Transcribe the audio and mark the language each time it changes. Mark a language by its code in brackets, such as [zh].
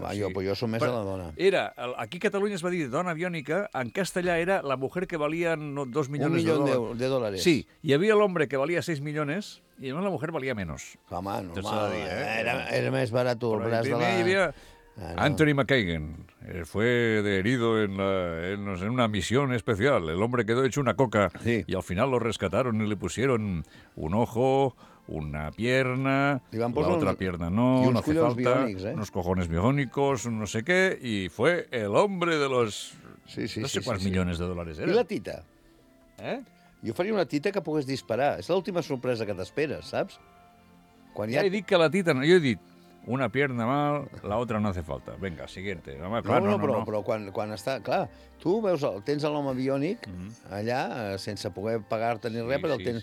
[ca] Va, sí. Jo som més però de la dona. Era, aquí a Catalunya es va dir dona biònica, en castellà era [es] la mujer [ca] que valia 2 milions de dòlars. Sí, hi havia l'home que valia 6 milions... I llavors la mujer valia menys. Home, normal. Dir, eh? Era més barat el braç de la... Hi havia Anthony McKagan. [es] Fue herido en una misión especial. El hombre quedó hecho una coca. Sí. Y al final lo rescataron y le pusieron un ojo, una pierna, la otra pierna no, no hace falta. Biónics, ¿eh? Unos cojones biónicos, no sé qué. Y fue el hombre de los... millones de dólares. ¿Y la tita? ¿Eh? [ca] Jo faria una tita que pogués disparar. És l'última sorpresa que t'esperes, saps? Quan ja he dit que la tita... No. Jo he dit [es] una pierna mal, l'altra no hace falta. Venga, siguiente. [ca] Home, clar, no. Però quan està... Clar, tu veus, tens l'home biònic allà, sense poder pagar-te ni res,